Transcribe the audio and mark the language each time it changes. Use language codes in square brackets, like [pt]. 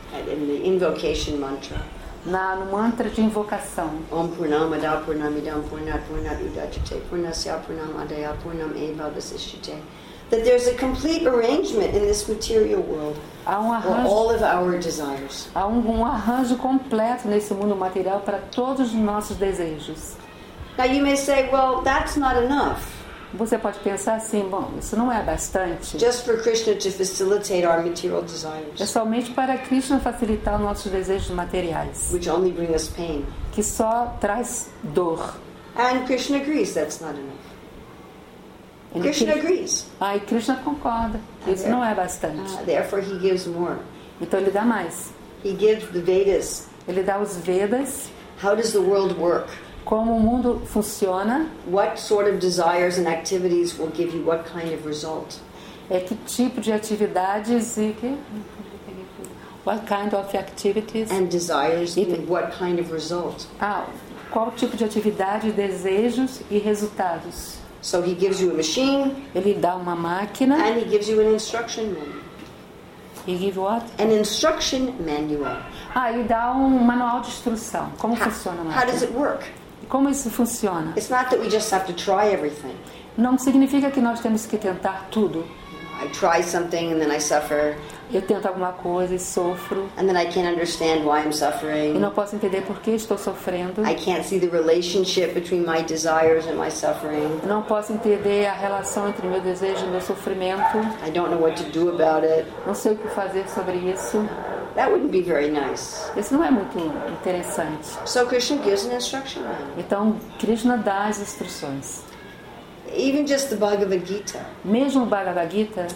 [en] In the invocation mantra. [pt] No mantra de invocação. [sa] Om Purnamada Purnamidam Purnat Purnat Udachite Purnasya Purnamadaya Purnam Eva Vasishite. [en] That there's a complete arrangement in this material world for all of our desires. [pt] Há um arranjo completo nesse mundo material para todos os nossos desejos. [en] Now you may say, "Well, that's not enough." [pt] Você pode pensar assim, bom, isso não é bastante. [en] Just for Krishna to facilitate our material desires. [pt] É somente para Krishna facilitar nossos desejos materiais. [en] Which only bring us pain. [pt] Que só traz dor. [en] And Krishna agrees that's not enough. Krishna agrees. [pt] E Krishna concorda. Isso não é bastante. [en] Therefore he gives more. [pt] Então ele dá mais. [en] He gives the Vedas. [pt] Ele dá os Vedas. [en] How does the world work? [pt] Como o mundo funciona? [en] What sort of desires and activities will give you what kind of result? [pt] Que tipo de atividades e que? [en] What kind of activities? And desires and what kind of result? [pt] Qual tipo de atividade, desejos e resultados? [en] So he gives you a machine. [pt] Ele dá uma máquina. [en] And he gives you an instruction manual. He gives what? An instruction manual. [pt] Ele dá um manual de instrução. Como funciona a máquina? [en] How does it work? [pt] Como isso funciona? [en] It's not that we just have to try everything. [pt] Não significa que nós temos que tentar tudo. [en] I try something and then I suffer. [pt] Eu tento alguma coisa e sofro. [en] And then I can't understand why I'm suffering. [pt] E não posso entender por que estou sofrendo. [en] I can't see the relationship between my desires and my suffering. [pt] Não posso entender a relação entre meu desejo e meu sofrimento. [en] I don't know what to do about it. [pt] Não sei o que fazer sobre isso. [en] That wouldn't be very nice. [pt] Isso não é muito interessante. [en] So Krishna gives an instruction. [pt] Então Krishna dá as instruções. [en] Even just the Bhagavad Gita. [pt] Mesmo o Bhagavad Gita.